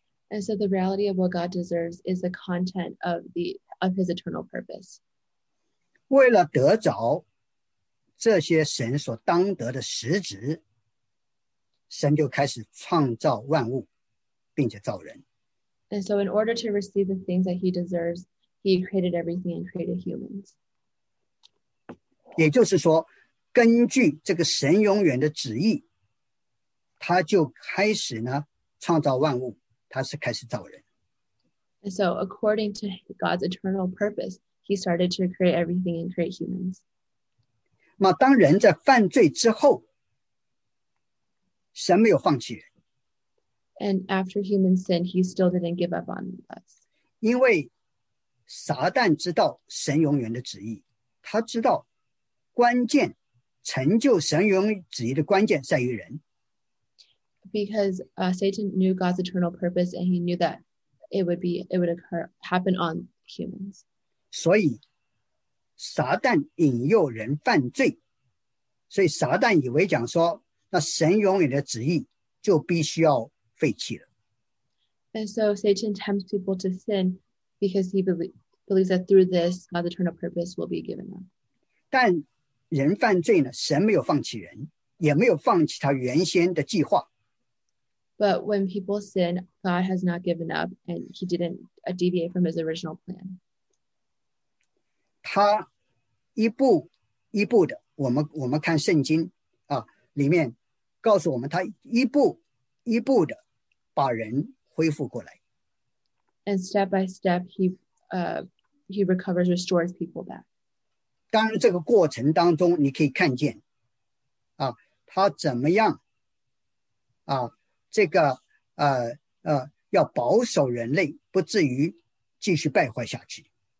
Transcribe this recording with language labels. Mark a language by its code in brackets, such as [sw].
[en] And so the reality of what God deserves is the content of his eternal purpose. [zh] 为了得着这些神所当得的实质，神就开始创造万物，并且造人。 [en] And so in order to receive the things that he deserves, he created everything and created humans. [zh] 也就是说，根据这个神永远的旨意，他就开始呢，创造万物，他是开始造人。 [en] And so according to God's eternal purpose, he started to create everything and create humans. [zh] 那当人在犯罪之后，神没有放弃人。 [en] And after human sin, he still didn't give up on us. [zh] 因为撒旦知道神永远的旨意，他知道关键成就神永远旨意的关键在于人。 [en] Because Satan knew God's eternal purpose, and he knew that it would happen on humans. [zh] 所以撒旦引诱人犯罪，所以撒旦以为讲说，那神永远的旨意就必须要。 [en] And so Satan tempts people to sin because he believes that through this, God's eternal purpose will be given up. [zh] 但人犯罪呢，神没有放弃人，也没有放弃他原先的计划。 [en] But when people sin, God has not given up and he didn't deviate from his original plan. [zh] 他一步一步的，我们看圣经啊，里面告诉我们他一步一步的。把人恢复过来。 [en] And step by step, he recovers, restores people back. [zh] 当然这个过程当中你可以看见、啊、他怎么样、啊、这个、要保守人类不至于继续败坏下去。